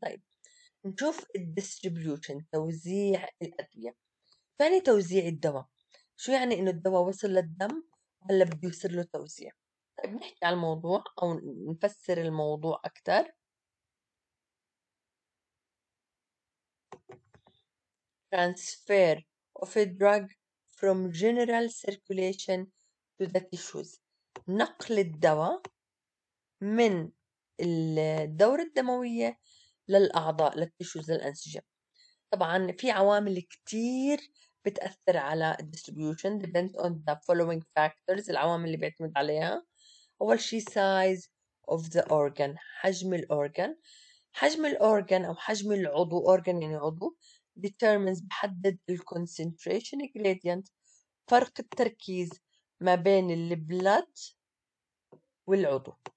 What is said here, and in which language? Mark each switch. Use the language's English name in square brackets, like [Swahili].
[Arabic] طيب نشوف الديستريبيوشن، توزيع الأدوية. يعني توزيع الدواء شو يعني؟ إنه الدواء وصل للدم هلا بده يصير له توزيع. طيب نحكي على الموضوع او نفسر الموضوع اكثر. [English] transfer of a drug from general circulation to the tissues، [Arabic] نقل الدواء من الدورة الدموية للاعضاء للتشوز للانسجة. طبعا في عوامل كتير بتأثر على distribution [English] depend on the following factors، [Arabic] العوامل اللي بيعتمد عليها. أول شيء [English] size of the organ، [Arabic] حجم الأورجان، حجم الأورجان أو حجم العضو، organ يعني عضو، determines بحدد ال concentration gradient، فرق التركيز ما بين ال blood والعضو.